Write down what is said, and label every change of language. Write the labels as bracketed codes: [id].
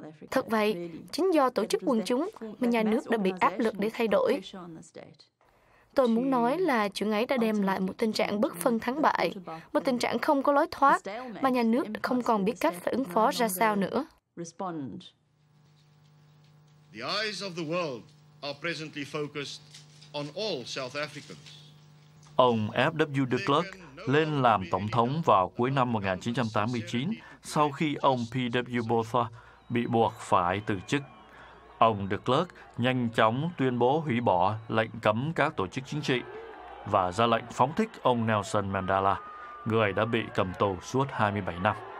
[vi] Thật vậy, chính do tổ chức quần chúng mà nhà nước đã bị áp lực để thay đổi. Tôi muốn nói là chuyện ấy đã đem lại một tình trạng bất phân thắng bại, một tình trạng không có lối thoát, mà nhà nước không còn biết cách phải ứng phó ra sao nữa. [en] The eyes of the world are presently focused on all South Africans. [vi] Ông F.W. de Klerk lên làm tổng thống vào cuối năm 1989 sau khi ông P.W. Botha bị buộc phải từ chức. Ông de Klerk nhanh chóng tuyên bố hủy bỏ lệnh cấm các tổ chức chính trị và ra lệnh phóng thích ông Nelson Mandela, người đã bị cầm tù suốt 27 năm.